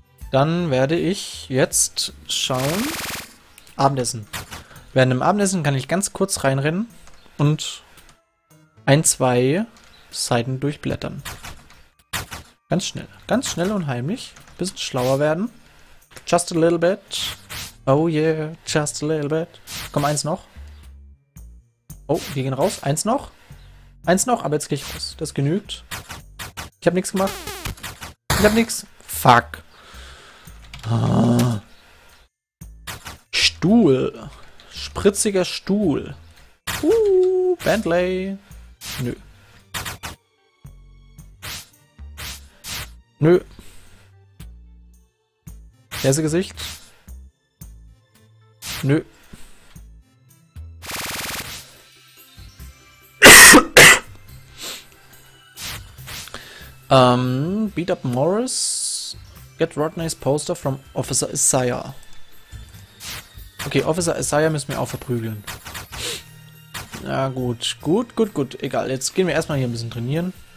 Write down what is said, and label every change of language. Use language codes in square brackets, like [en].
[de] Dann werde ich jetzt schauen. Abendessen. Während dem Abendessen kann ich ganz kurz reinrennen und ein, zwei Seiten durchblättern. Ganz schnell. Ganz schnell und heimlich. Bisschen schlauer werden. [en] Just a little bit. Oh yeah, just a little bit. [de] Komm, eins noch. Oh, wir gehen raus. Eins noch. Eins noch, aber jetzt gehe ich raus. Das genügt. Ich habe nichts gemacht. Ich habe nichts. Fuck. Ah. Stuhl. Spritziger Stuhl. Bentley. Nö. Nö. Käsegesicht. Nö. [en] beat up Morris. Get Rodney's poster from Officer Isaiah. [de] Okay, Officer Isaiah müssen wir auch verprügeln. Na gut, gut, gut, gut. Egal, jetzt gehen wir erstmal hier ein bisschen trainieren.